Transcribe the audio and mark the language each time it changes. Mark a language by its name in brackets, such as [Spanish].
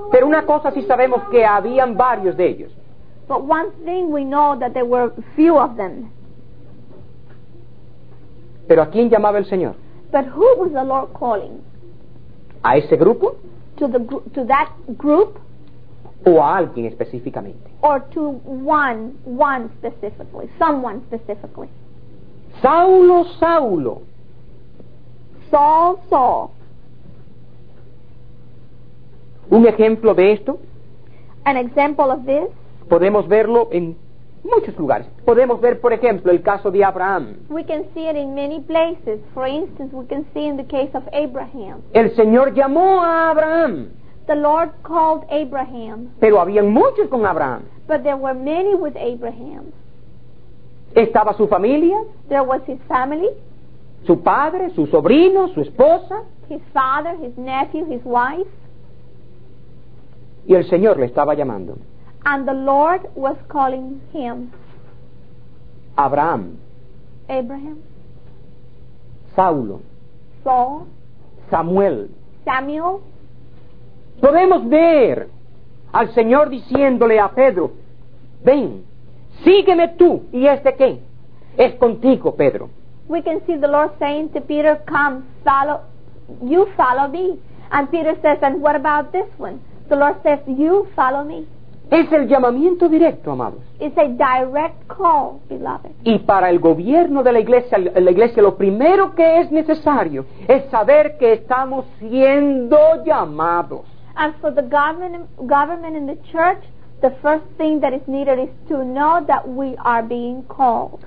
[Spanish] Pero una cosa sí sabemos, que habían varios de ellos. [English] But one thing we know, that there were few of them. [Spanish] ¿Pero a quién llamaba el Señor? [English] But who was the Lord calling? [Spanish] ¿A ese grupo? [English] To that group? [Spanish] ¿O a alguien específicamente? [English] Or to one specifically, someone specifically. [Spanish] Saulo, Saulo. [English] Saul, Saul. [Spanish] Un ejemplo de esto. [English] An example of this. [Spanish] Podemos verlo en muchos lugares. Podemos ver, por ejemplo, el caso de Abraham. [English] We can see it in many places. For instance, we can see in the case of Abraham. [Spanish] El Señor llamó a Abraham. [English] The Lord called Abraham. [Spanish] Pero habían muchos con Abraham. [English] But there were many with Abraham. [Spanish] Estaba su familia. [English] There was his family. [Spanish] Su padre, su sobrino, su esposa. [English] His father, his nephew, his wife. [Spanish] Y el Señor le estaba llamando. [English] And the Lord was calling him. [Spanish] Abraham. [English] Abraham. [Spanish] Saulo. [English] Saul. [Spanish] Samuel. [English] Samuel. [Spanish] Podemos ver al Señor diciéndole a Pedro, ven, sígueme tú. ¿Y este qué? Es contigo, Pedro. [English] We can see the Lord saying to Peter, come, follow, you follow me. And Peter says, and what about this one? The Lord says, you follow me. [Spanish] Es el llamamiento directo, amados. [English] It's a direct call, beloved. [Spanish] Y para el gobierno de la iglesia, lo primero que es necesario es saber que estamos siendo llamados. [English] And for the government in the church, the first thing that is needed is to know that we are being called.